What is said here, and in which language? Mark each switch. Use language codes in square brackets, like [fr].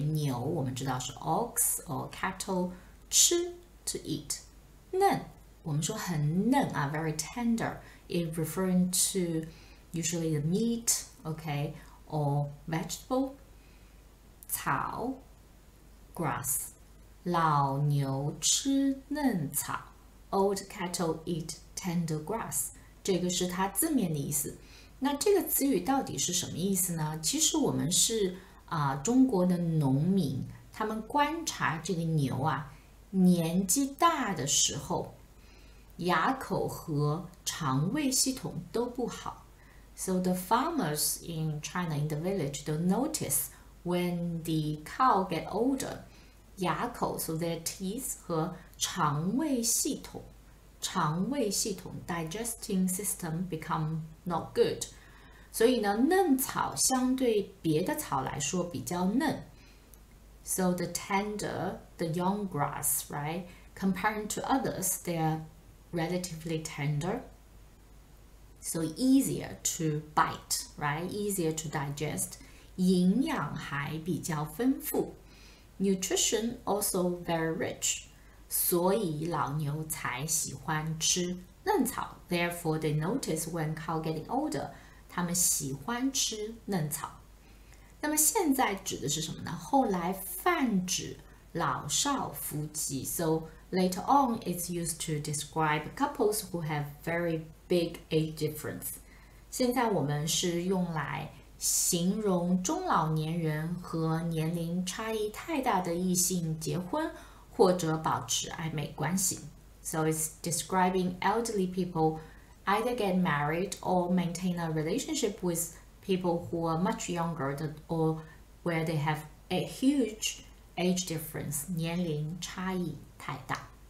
[zh] 牛我们知道是 [en] ox or cattle, 吃 to eat, [zh] 嫩我们说很嫩啊， [en] very tender, in referring to usually the meat, okay, or vegetable, 草 grass, [zh] 老牛吃嫩草 [en] ,old cattle eat tender grass, [zh] 这个是它字面的意思。那这个词语到底是什么意思呢？其实我们是、中国的农民，他们观察这个牛啊，年纪大的时候，牙口和肠胃系统都不好。 [en] So the farmers in China, in the village, they'll notice when the cow get older, [zh] 牙口 [en] so their teeth [zh] 和肠胃系统。肠胃系统 [en] digesting system become not good， [zh] 所以呢，嫩草相对别的草来说比较嫩。 [en] So the tender, the young grass, right? Compared to others, they are relatively tender. So easier to bite, right? Easier to digest. [zh] 营养还比较丰富。 [en] Nutrition also very rich。 [zh] 所以老牛才喜欢吃嫩草。 [en] Therefore, they notice when cow getting older, [zh] 他们喜欢吃嫩草。那么现在指的是什么呢？后来泛指老少夫妻。 [en] So later on, it's used to describe couples who have very big age difference。 [zh] 现在我们是用来形容中老年人和年龄差异太大的异性结婚。或者保持暧昧关系， [en] so it's describing elderly people either get married or maintain a relationship with people who are much younger or where they have a huge age difference， [zh] 年龄差异太大。